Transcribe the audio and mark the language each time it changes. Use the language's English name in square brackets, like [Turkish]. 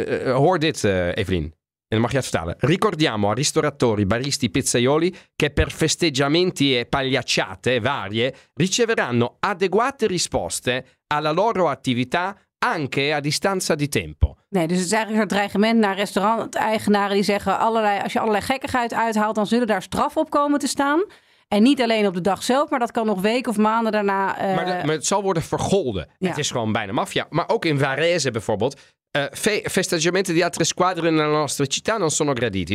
[Dutch] Hoor dit, Evelien. En dan mag je het vertalen. [Italian] Ricordiamo a ristoratori, baristi, pizzaioli che per festeggiamenti e pagliacciate varie riceveranno adeguate risposte alla loro attività anche a distanza di tempo. [Dutch] Nee, dus het is eigenlijk een soort dreigement naar restauranteigenaren die zeggen, als je allerlei gekkigheid uithaalt, dan zullen daar straf op komen te staan. En niet alleen op de dag zelf, maar dat kan nog weken of maanden daarna. Maar het zal worden vergolden. Ja. Het is gewoon bijna maffia. Maar ook in Varese bijvoorbeeld, [Italian] Festeggiamenti di altre squadre nella nostra città non sono graditi.